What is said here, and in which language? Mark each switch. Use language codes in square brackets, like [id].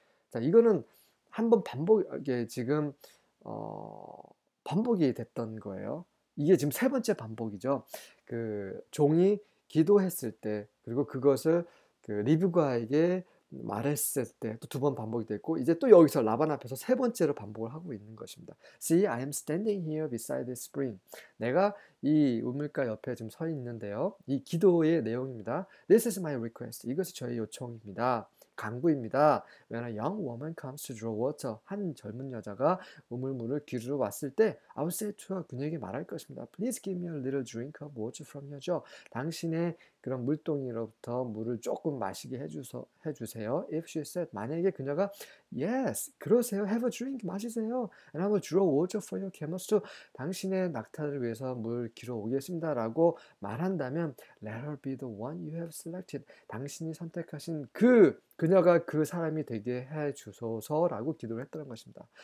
[ko] 자, 이거는 한번 반복이 지금 반복이 됐던 거예요. 이게 지금 세 번째 반복이죠. 그 종이 기도했을 때, 그리고 그것을 그 리브가에게 말했을 때, 또두번 반복이 됐고, 이제 또 여기서 라반 앞에서 세 번째로 반복을 하고 있는 것입니다. [en] See, I am standing here beside the spring. [ko] 내가 이 우물가 옆에 지금 서 있는데요. 이 기도의 내용입니다. [en] This is my request. [ko] 이것이 저의 요청입니다. 간구입니다. [en] When a young woman comes to draw water, [ko] 한 젊은 여자가 우물물을 기르러 왔을 때, [en] I will say to her, [ko] 그녀에게 말할 것입니다. [en] Please give me a little drink of water from your jar. [ko] 당신의 그런 물동이로부터 물을 조금 마시게 해주세요. [en] If she said, [ko] 만약에 그녀가 [en] Yes, [ko] 그러세요. [en] Have a drink, [ko] 마시세요. [en] And I will draw water for your camels too. [ko] 당신의 낙타를 위해서 물 길어 오겠습니다. 라고 말한다면 [en] Let her be the one you have selected. [ko] 당신이 선택하신 그녀가 그 사람이 되게 해주소서라고 기도를 했다는 것입니다.